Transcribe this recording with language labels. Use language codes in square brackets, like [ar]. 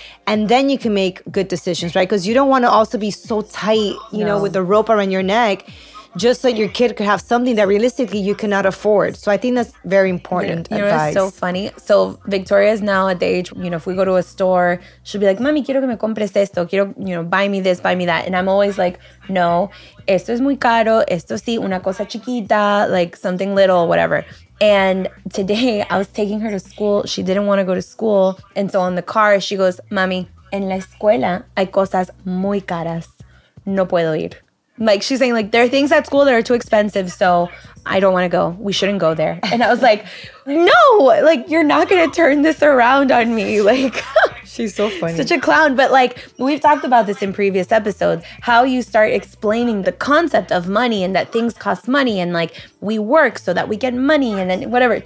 [en] And then you can make good decisions, right? Because you don't want to also be so tight, you know, with the rope around your neck, just so your kid could have something that realistically you cannot afford. So I think that's very important advice. You know, it's so funny. So Victoria is now at the age, you know, if we go to a store, she'll be like, [es] mami, quiero que me compres esto. Quiero, [en] you know, buy me this, buy me that. And I'm always like, no, [es] esto es muy caro. Esto sí, una cosa chiquita, [en] like something little, whatever. And today I was taking her to school. She didn't want to go to school. And so on the car, she goes, [es] mami, en la escuela hay cosas muy caras. No puedo ir. [en] Like, she's saying, like, there are things at school that are too expensive, so I don't want to go. We shouldn't go there. And I was like, no, like, you're not going to turn this around on me. Like, she's so funny. Such a clown. But, like, we've talked about this in previous episodes, how you start explaining the concept of money and that things cost money and, like, we work so that we get money and then whatever.